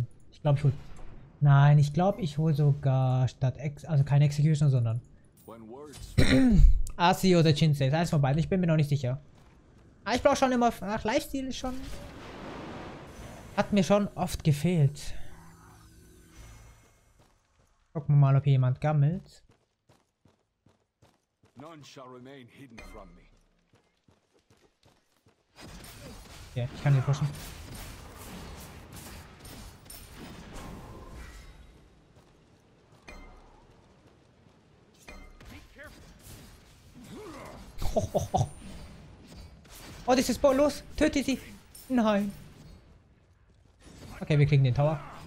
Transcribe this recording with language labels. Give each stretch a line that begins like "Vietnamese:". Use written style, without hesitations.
German: Ich glaube, ich hole. Nein, ich glaube, ich hole sogar statt also keine Execution, sondern Asi oder Chinsei. Eins von beiden. Ich bin mir noch nicht sicher. Aber ich brauche schon immer nach Lifesteal schon. Hat mir schon oft gefehlt. Gucken wir mal, ob hier jemand gammelt.
English: None shall remain hidden from me.
German: Okay, ich kann hier pushen. Oh, das ist Bo, los, töte sie. Nein. Okay, wir kriegen den Tower.